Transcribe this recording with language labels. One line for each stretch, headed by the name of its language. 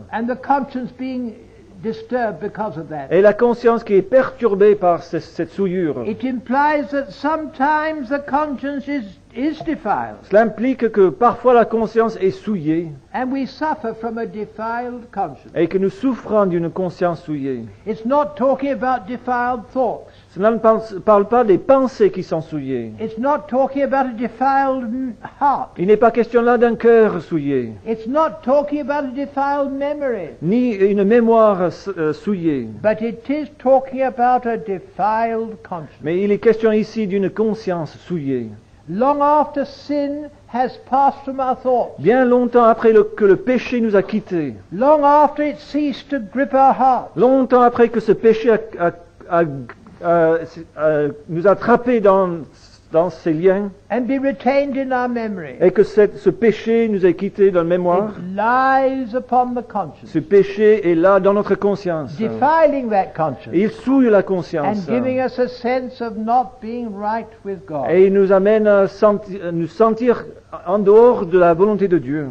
English: And the conscience being disturbed because of that.
French: Et la conscience qui est perturbée par cette souillure.
English: It implies that sometimes the conscience is is defiled.
French: Cela implique que parfois la conscience est souillée.
English: And we suffer from a defiled conscience.
French: Et que nous souffrons d'une conscience souillée.
English: It's not talking about defiled thoughts.
French: Cela ne parle pas des pensées qui sont souillées.
English: It's not talking about a defiled heart.
French: Il n'est pas question là d'un cœur souillé.
English: It's not talking about a defiled memory.
French: Ni une mémoire souillée.
English: But it is talking about a defiled conscience.
French: Mais il est question ici d'une conscience souillée.
English: Long after sin has passed from our thoughts.
French: Bien longtemps après que le péché nous a quittés.
English: Long after it ceased to grip our hearts.
French: Longtemps après que ce péché a nous attraper dans ces liens
English: and be retained in our memory.
French: Et que ce péché nous ait quitté dans la mémoire.
English: It lies upon the conscience.
French: Ce péché est là dans notre conscience.
English: Defiling that conscience.
French: Et il souille la conscience.
English: And giving us a sense of not being right with God.
French: Et il nous amène à nous sentir en dehors de la volonté de Dieu.